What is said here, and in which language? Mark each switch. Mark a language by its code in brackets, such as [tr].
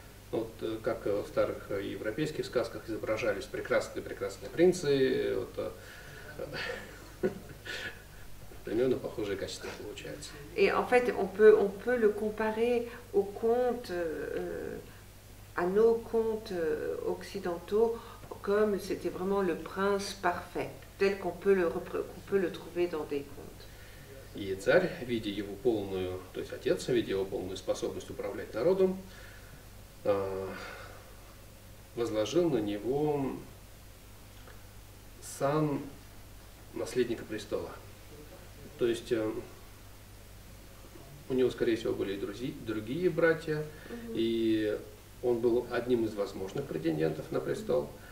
[ru] Вот как в старых европейских сказках изображались прекрасные принцы, вот примерно похожие качества получаются. [fr] Et en fait, on peut le comparer aux contes, à nos contes occidentaux, comme c'était vraiment le prince parfait, tel qu'on peut le trouver dans des contes. [ru] И царь, видя его полную, то есть отец, видя его полную способность управлять народом, возложил на него сан наследника престола. То есть у него, скорее всего, были другие братья, и он был одним из возможных претендентов на престол.